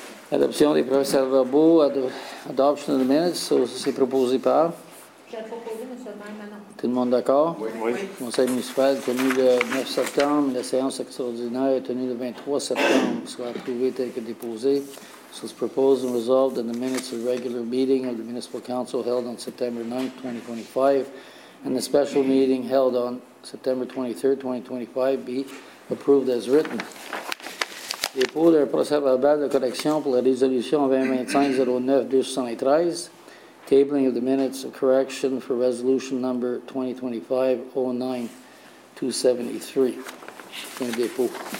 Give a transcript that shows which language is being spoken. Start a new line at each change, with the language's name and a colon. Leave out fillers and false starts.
French: Adoption des procès-verbaux,
English: adoption of the minutes,
French: ça c'est proposé par. J'ai proposé, M. le maire, maintenant. Tout le monde d'accord? Oui, oui. Conseil municipal tenu le 9 septembre, la séance extraordinaire est tenue le 23 septembre, soit approuvée telle que déposée.
English: So it's proposed and resolved in the minutes of the regular meeting of the municipal council held on September 9, 2025, and the special meeting held on September 23, 2025 be approved as written.
French: Dépôt d'un procès-verbal de correction pour la résolution 2025-09-273.
English: Tabling of the minutes of correction for resolution number 2025-09-273.
French: Un dépôt.